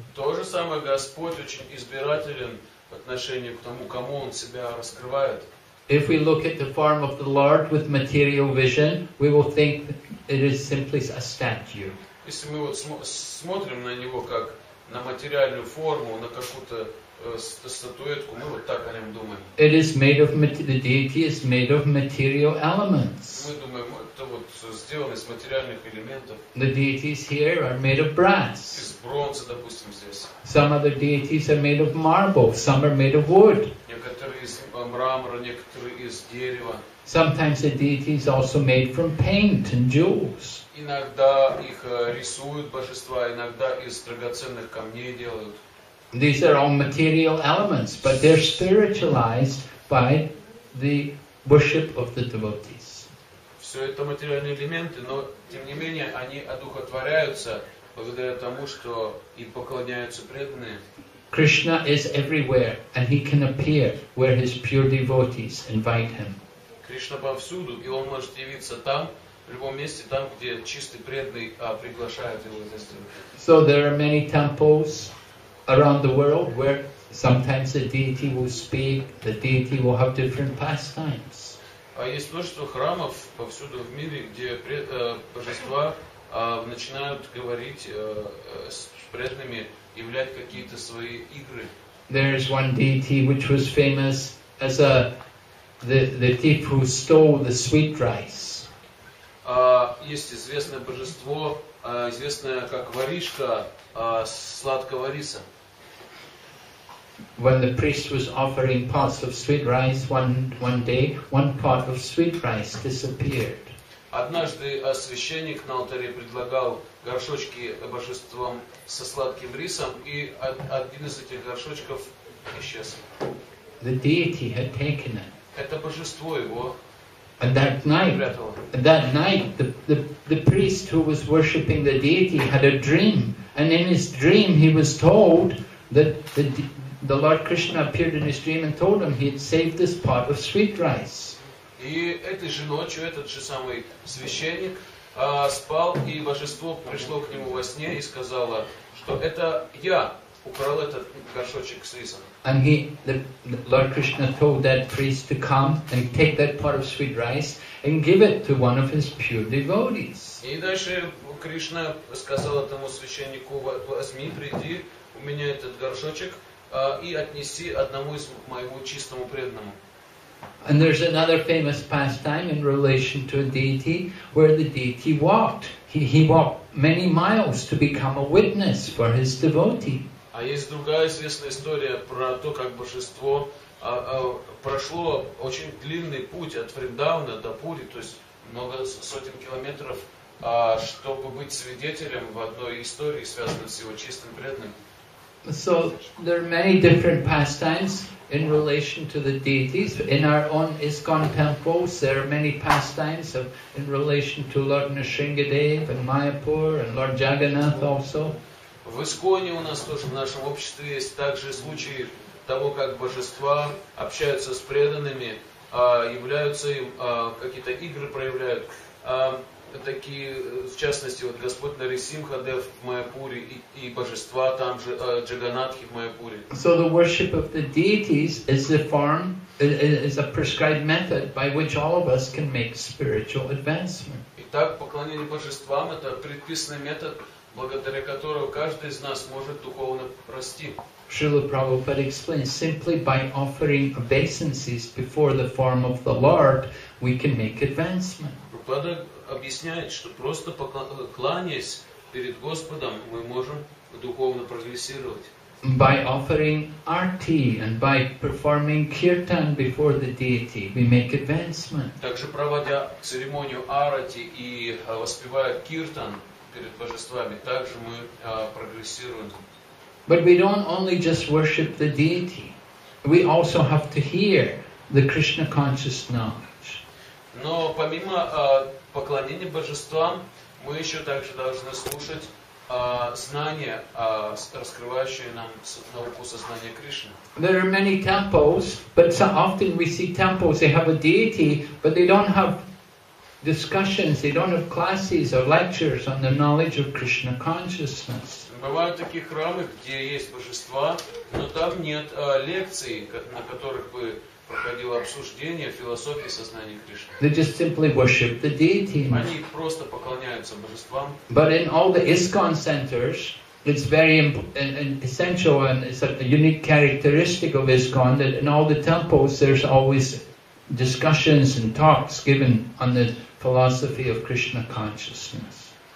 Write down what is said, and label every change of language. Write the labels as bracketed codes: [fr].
[ru] То же самое Господь очень избирателен в отношении к тому, кому он себя раскрывает. [en] If we look at the form of the Lord with material vision, we will think it is simply a statue. [ru] Если мы вот смотрим на него как на материальную форму, на какую-то статуэтку, мы вот так о нем думаем. [en] It is made of the deity is made of material elements. [ru] Мы думаем, это вот сделано из материальных элементов. [en] The deities here are made of brass. [ru] Из бронзы, допустим, здесь. [en] Some other deities are made of marble. Some are made of wood. [ru] Некоторые из мрамора, некоторые из дерева. [en] Sometimes the deity is also made from paint and jewels. [ru] Иногда их рисуют божества, иногда из драгоценных камней делают. [en] These are all material elements, but they're spiritualized by the worship of the devotees. [ru] Все это материальные элементы, но тем не менее они одухотворяются благодаря тому, что им поклоняются преданные. [en] Krishna is everywhere, and he can appear where his pure devotees invite him. [ru] Кришна повсюду, и он может явиться там, в любом месте, там, где чистый преданный приглашает его здесь. [en] So there are many temples around the world where sometimes the deity will speak, the deity will have different pastimes. [ru] А есть множество храмов повсюду в мире, где божества начинают говорить с преданными, являть какие-то свои игры. [en] There is one deity which was famous as the thief who stole the sweet rice. [ru] Есть известное божество, известное как воришка сладкого риса. [en] When the priest was offering pots of sweet rice one day, one pot of sweet rice disappeared. [ru] Однажды священник на алтаре предлагал горшочки божествам со сладким рисом, и один из этих горшочков исчез. [en] The deity had taken it. [ru] Это божество его. [en] And that night the priest who was worshipping the deity had a dream, and in his dream he was told that the Lord Krishna appeared in his dream and told him he had saved this pot of sweet rice. [ru] И этой же ночью этот же самый священник спал, и божество пришло к нему во сне и сказало, что это я украл этот горшочек с рисом. [en] And the Lord Krishna told that priest to come and take that pot of sweet rice and give it to one of his pure devotees. [ru] И дальше Кришна сказал этому священнику, возьми, приди, у меня этот горшочек, и отнеси одному из моему чистому преданному. [en] And there's another famous pastime in relation to a deity where the deity walked. He walked many miles to become a witness for his devotee. [ru] А есть другая известная история про то, как божество прошло очень длинный путь от Вриндавана до Пури, то есть много сотен километров, чтобы быть свидетелем в одной истории, связанной с его чистым преданным. [en] So there are many different pastimes in relation to the deities. In our own ISKCON temples, there are many pastimes in relation to Lord Nrisingadev and Mayapur and Lord Jagannath also. [ru] В ИСККОНе у нас тоже, в нашем обществе, есть также случаи того, как божества общаются с преданными, являются им, какие-то игры проявляют. Такие, в частности, вот Господь Нарисимхадев в Майяпуре и божества там же, Джаганатхи в Майяпуре. [en] So the worship of the deities is a form, is a prescribed method by which all of us can make spiritual advancement. [ru] Итак, поклонение божествам – это предписанный метод, благодаря которому каждый из нас может духовно расти. [en] Srila Prabhupada explains, simply by offering obeisances before the form of the Lord, we can make advancement. [ru] Prabhupada объясняет, что просто кланяясь перед Господом, мы можем духовно прогрессировать. [en] By offering arti and by performing kirtan before the deity, we make advancement. [ru] Также проводя церемонию арати и воспевая киртан перед божествами, также мы прогрессируем. [en] But we don't only just worship the deity. We also have to hear the Krishna conscious knowledge. [ru] Но помимо поклонения божествам, мы еще также должны слушать знания, раскрывающие нам науку сознания Кришны. [en] There are many temples, but so often we see temples, they have a deity, but they don't have discussions, they don't have classes or lectures on the knowledge of Krishna consciousness. [ru] Бывают такие храмы, где есть божества, но там нет лекций, на которых бы проходило обсуждение философии сознания Кришны. [en] They just simply worship the deity. [ru] Они просто поклоняются божествам. [en] But in all the ISKCON centers, it's very essential and it's a unique characteristic of ISKCON that in all the temples there's always discussions and talks given on the philosophy of Krishna consciousness.